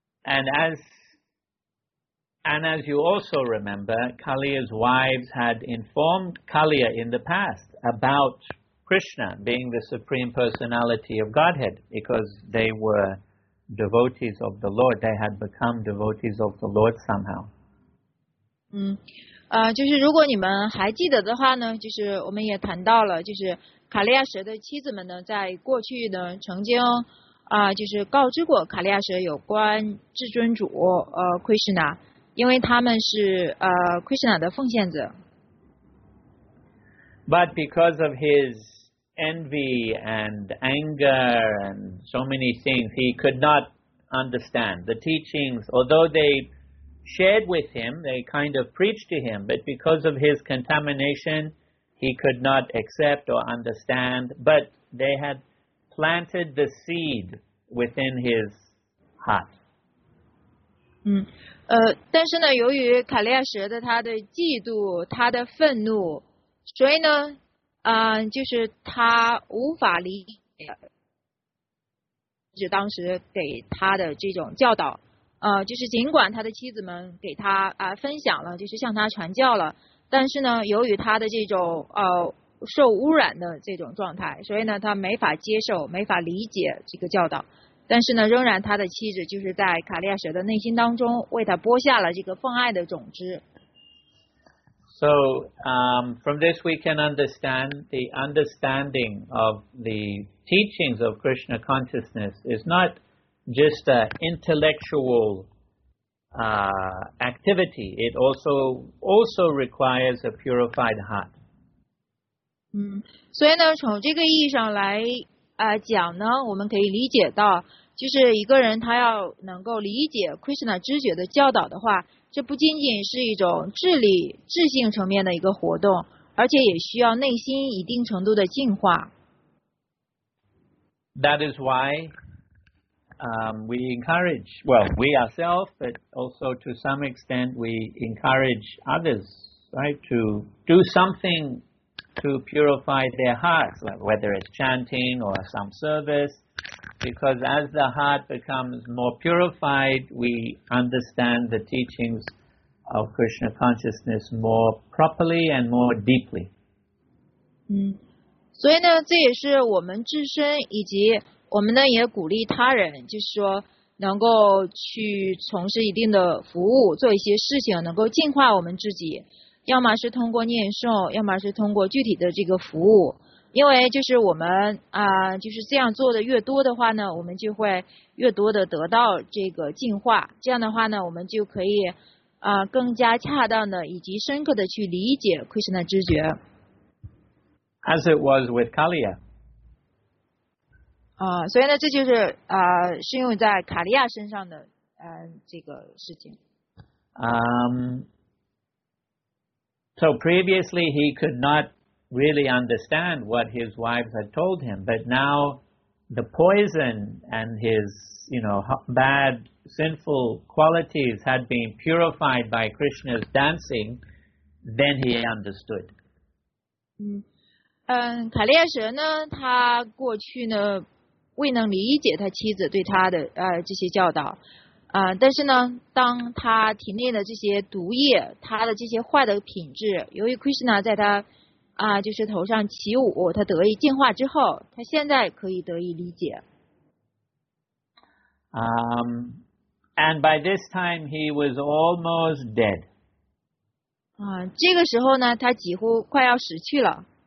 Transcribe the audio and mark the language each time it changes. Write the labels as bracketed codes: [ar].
[en] And as you also remember, Kaliya's wives had informed Kaliya in the past about Krishna being the Supreme Personality of Godhead, because they were devotees of the Lord. They had become devotees of the Lord somehow. [zh] 就是如果你们还记得的话呢，就是我们也谈到了，就是卡利亚蛇的妻子们呢，在过去呢曾经就是告知过卡利亚蛇有关至尊主Krishna，因为他们是Krishna的奉献者。 [en] But because of his envy and anger and so many things, he could not understand the teachings, although they shared with him, they kind of preached to him, but because of his contamination, he could not accept or understand, but they had planted the seed within his heart. [zh] 但是呢，由于卡利亚蛇的他的嫉妒，他的愤怒，所以呢，就是他无法理解，就当时给他的这种教导，就是尽管他的妻子们给他分享了，就是向他传教了，但是呢，由于他的这种受污染的这种状态，所以呢，他没法接受，没法理解这个教导。但是呢，仍然他的妻子就是在卡利亚舍的内心当中为他播下了这个奉爱的种子。 [en] So, from this we can understand the understanding of the teachings of Krishna consciousness is not just an intellectual activity. It also requires a purified heart. [zh] 所以呢，从这个意义上来讲呢，我们可以理解到，就是一个人他要能够理解 Krishna 知觉的教导的话，这不仅仅是一种智力、智性层面的一个活动，而且也需要内心一定程度的净化。 [en] That is why we encourage, well, we ourselves, but also to some extent we encourage others, right, to do something to purify their hearts, like whether it's chanting or some service. Because as the heart becomes more purified, we understand the teachings of Krishna consciousness more properly and more deeply. [zh] 所以呢，这也是我们自身以及我们呢也鼓励他人，就是说能够去从事一定的服务，做一些事情，能够净化我们自己，要么是通过念诵，要么是通过具体的这个服务。因为就是我们就是这样做的越多的话呢，我们就会越多的得到这个净化。这样的话呢，我们就可以更加恰当的以及深刻的去理解 Krishna 知觉。 [en] As it was with Kaliya. [zh] 所以呢，这就是适用在卡利亚身上的这个事情。 [en] So previously he could not really understand what his wives had told him, but now the poison and his, you know, bad, sinful qualities had been purified by Krishna's dancing, then he understood. [zh] 卡利亚蛇呢，他过去呢未能理解他妻子对他的这些教导。但是呢，当他体内的这些毒液，他的这些坏的品质，由于 Krishna 在他就是头上起舞，他得以净化之后，他现在可以得以理解。 [en] And by this time he was almost dead. [zh] 这个时候呢，他几乎快要死去了。